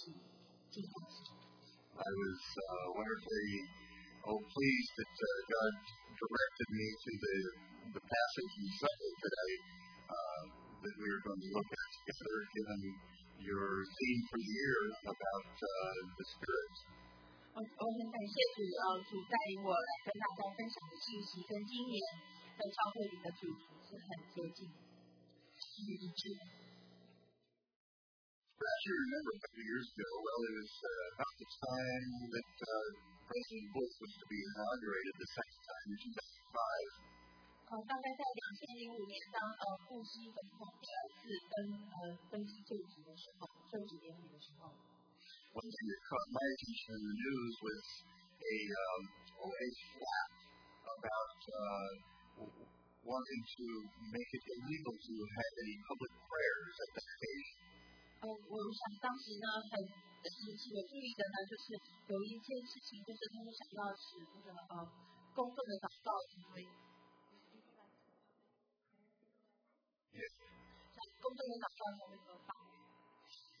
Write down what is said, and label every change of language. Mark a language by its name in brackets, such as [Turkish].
[English] I was wonderfully pleased that God directed me to the passage in Sunday today that we are going to look at together, given your theme for the year about the Spirit. [Chinese] 我很感谢主，主带领我来跟大家分享的信息，跟今年在教会里的主题是很接近，是一致。 [English] Perhaps you remember a couple years ago. Well, it was about the time that President Bush was to be inaugurated the second time in 2005. [Chinese] 大概在2005年当布希总统第二次登基就职的时候，就职典礼的时候。 [English] One thing that caught my attention in the news was a flap about wanting to make it illegal to have any public prayers at that occasion. [Chinese] 我想当时呢，很引起我注意的呢，就是有一件事情，就是他们想要使那个公共的祷告成为，公共的祷告成为合法。